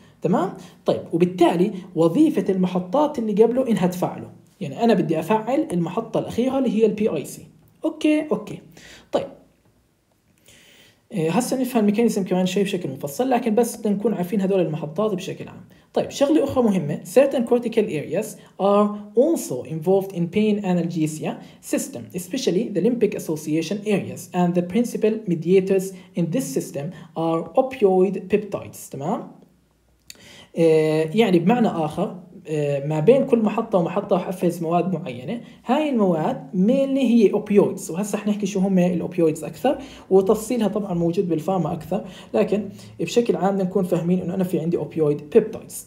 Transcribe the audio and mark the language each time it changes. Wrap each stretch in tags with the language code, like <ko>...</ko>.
<ar>تمام؟ طيب وبالتالي وظيفه المحطات اللي قبله انها تفعله. يعني انا بدي افعل المحطه الاخيره اللي هي البي اي سي. اوكي؟ اوكي. طيب هسا نفهم الميكانيزم كمان شيء بشكل مفصل، لكن بس بدنا نكون عارفين هذول المحطات بشكل عام. طيب شغله اخرى مهمه،</ar> <en>certain cortical areas are also involved in pain analgesia system especially the limbic association areas and the principal mediators in this system are opioid peptides.</en> <ar>تمام؟ يعني بمعنى اخر ما بين كل محطة ومحطة راح افرز مواد معينة، هاي المواد مينلي هي اوبيويدز، وهسه رح نحكي شو هم الاوبيويدز اكثر، وتفصيلها طبعا موجود بالفارما اكثر، لكن بشكل عام نكون فاهمين انه انا في عندي اوبيويد بيبتايدز.</ar>